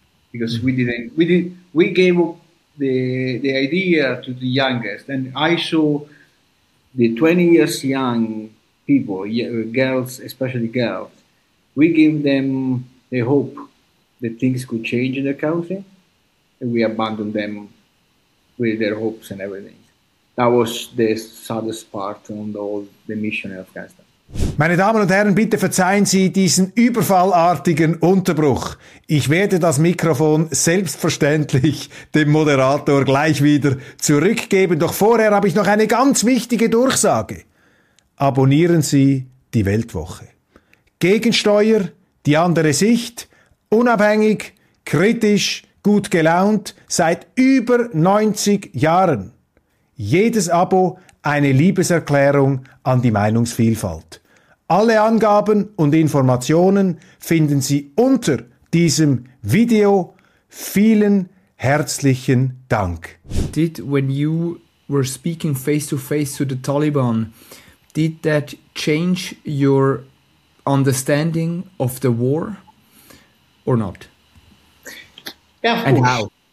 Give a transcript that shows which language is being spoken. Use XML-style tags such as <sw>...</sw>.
<en>Because we gave up the idea to the youngest, and I saw the 20 years young people, girls, especially girls, we gave them the hope that things could change in the country, and we abandoned them with their hopes and everything. That was the saddest part on the mission in Afghanistan.</en> <de>Meine Damen und Herren, bitte verzeihen Sie diesen überfallartigen Unterbruch. Ich werde das Mikrofon selbstverständlich dem Moderator gleich wieder zurückgeben. Doch vorher habe ich noch eine ganz wichtige Durchsage. Abonnieren Sie die Weltwoche. Gegensteuer, die andere Sicht, unabhängig, kritisch, gut gelaunt, seit über 90 Jahren. Jedes Abo eine Liebeserklärung an die Meinungsvielfalt. Alle Angaben und Informationen finden Sie unter diesem Video. Vielen herzlichen Dank.</de> <en>Did, when you were speaking face to face to the Taliban, did that change your understanding of the war or not? Yeah, of and course. How?</en>